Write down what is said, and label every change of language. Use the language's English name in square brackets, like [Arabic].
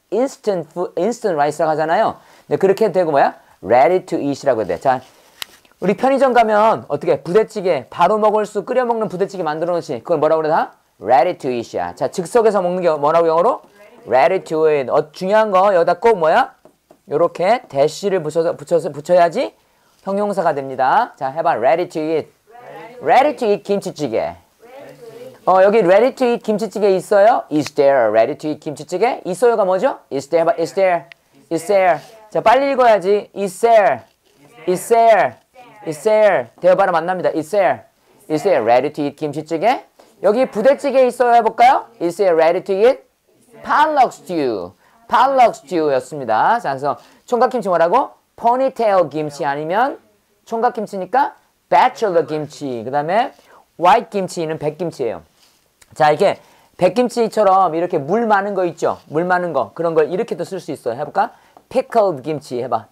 [English] Instant food, instant rice라고 하잖아요. [Korean] 근데 그렇게 되고 뭐야? [English] Ready to eat [Korean] 이라고 해야 돼. 자, 우리 편의점 가면 어떻게? 부대찌개. 바로 먹을 수, 끓여 먹는 부대찌개 만들어 놓지. 그걸 뭐라고 그러다? [English] Ready to eat이야. [Korean] 자, 즉석에서 먹는 게 뭐라고 영어로? [English] Ready to eat. [Korean] 중요한 거, 여기다 꼭 뭐야? 요렇게 대시를 붙여야지 형용사가 됩니다. [English] 자, 해봐. Ready to eat. Ready to eat 김치찌개. [Korean] 여기 [English] ready to eat [Korean] 김치찌개 있어요? [English] Is there ready to eat 김치찌개? [Korean] 있어요가 뭐죠? [English] Is there? 해봐. Is there? Is there? [Korean] 자, 빨리 읽어야지. [English] Is there? Is there? Is there? [Korean] 대화 바로 만납니다. [English] Is there? Is there ready to eat 김치찌개? [Korean] 여기 부대찌개 있어요? 해볼까요? [English] Is there ready to eat? Pollock stew. Pollock stew였습니다. [Korean] 자, 그래서 총각김치 뭐라고? Ponytail 김치 아니면 총각김치니까 bachelor 김치. 그 다음에 white 김치는 백김치예요. 자, 이렇게 백김치처럼 이렇게 물 많은 거 있죠? 물 많은 거. 그런 걸 이렇게도 쓸 수 있어요. 해볼까? Pickled 김치 해봐.